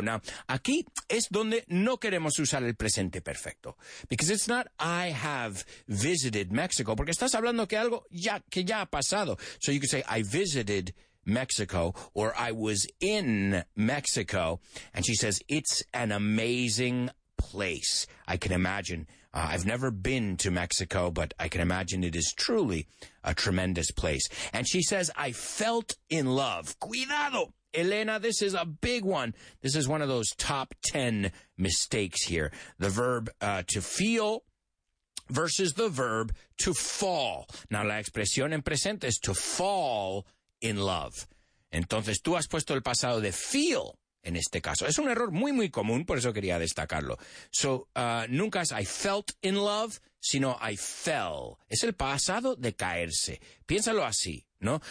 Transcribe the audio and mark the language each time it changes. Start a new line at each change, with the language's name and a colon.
Spanish: Now, aquí es donde no queremos usar el presente perfecto.
English: Because it's not I have visited Mexico.
Spanish: Porque estás hablando que algo ya ha pasado.
English: So you could say, I visited Mexico, or I was in Mexico. And she says, it's an amazing place. I can imagine. I've never been to Mexico, but I can imagine it is truly a tremendous place. And she says, I felt in love.
Spanish: Cuidado, Elena,
English: this is a big one. This is one of those top 10 mistakes here. The verb to feel versus the verb to fall. Now,
Spanish: la expresión en presente
English: is to fall in love.
Spanish: Entonces, tú has puesto el pasado de feel. En este caso, es un error muy, muy común, por eso quería destacarlo.
English: So,
Spanish: nunca es
English: I felt in love,
Spanish: sino
English: I fell.
Spanish: Es el pasado de caerse. Piénsalo así, ¿no?